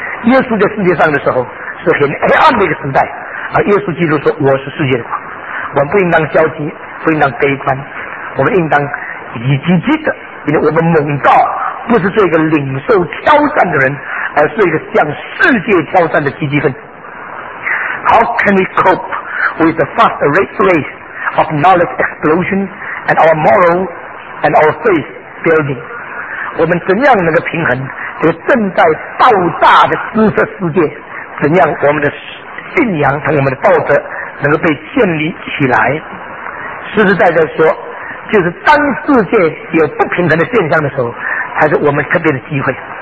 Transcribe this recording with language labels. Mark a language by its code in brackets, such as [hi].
[zh] 耶稣在世界上的时候是很黑暗的一个时代，而耶稣基督说我是世界的光。我们不应当消极，不应当悲观，我们应当以积极的，因为我们猛道不是做一个领受挑战的人，而是一个向世界挑战的积极分子。 [en] How can we cope with the fast race of knowledge explosion and our moral and our faith building? [zh] 我们怎样能够平衡这个正在爆炸的知识世界，怎样我们的信仰和我们的道德能够被建立起来？实实在在说，就是当世界有不平等的现象的时候，才是我们特别的机会。